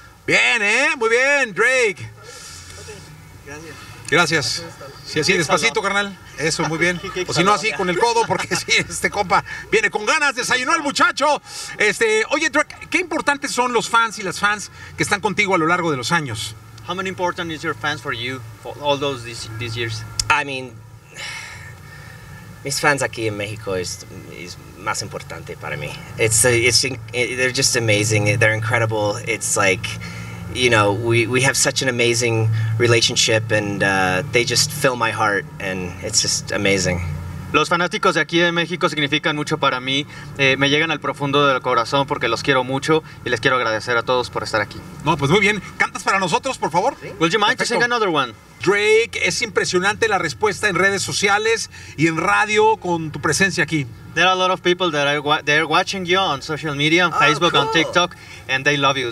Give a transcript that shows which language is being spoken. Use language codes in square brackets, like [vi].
[es] Bien, muy bien, Drake. Gracias. Sí, así, despacito, carnal. Eso, muy bien. O si no, así, con el codo, porque sí, este compa viene con ganas, desayunó el muchacho. Oye, Drake, ¿qué importantes son los fans y las fans que están contigo a lo largo de los años? [en] How many important is your fans for you for all those these years? I mean, [es] mis fans aquí en México es más importante para mí. [en] They're just amazing. They're incredible. It's like, you know, we have such an amazing relationship and they just fill my heart and it's just amazing. [es] Los fanáticos de aquí en México significan mucho para mí. Me llegan al profundo del corazón porque los quiero mucho y les quiero agradecer a todos por estar aquí. No, pues muy bien. ¿Cantas para nosotros, por favor? [en] ¿Sí? Will you mind to sing another one? [es] Drake, es impresionante la respuesta en redes sociales y en radio con tu presencia aquí. [en] There are a lot of people that are they're watching you on social media, on Facebook, cool. On TikTok, and they love you.